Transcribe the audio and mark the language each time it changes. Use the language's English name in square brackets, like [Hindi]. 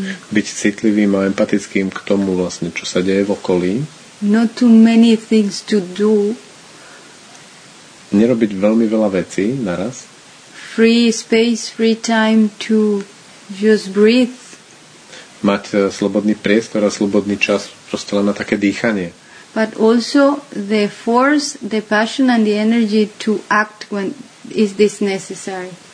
[Slovak] Byť citlivým a empatickým k tomu vlastne, čo sa deje v okolí. [English] Not too many things to do. [Slovak] Nerobiť veľmi veľa vecí naraz. [English] Free space, free time to just breathe. [Slovak] Mať slobodný priestor a slobodný čas proste len na také dýchanie. [English] But also the force, the passion and the energy to act when is this necessary.